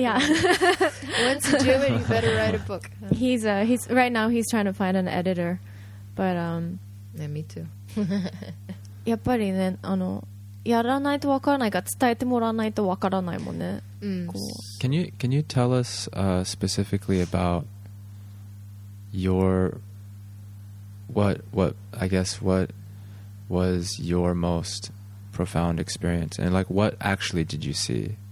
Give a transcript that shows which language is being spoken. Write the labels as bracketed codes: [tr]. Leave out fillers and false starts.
[en] Once you do it, you better write a book. He's right now he's trying to find an editor, but yeah, me too. [ja] やっぱりね、あの、やらないとわからないか、伝えてもらわないとわからないもんね。 [en] Can you tell us specifically about your what was your most profound experience, and like what actually did you see?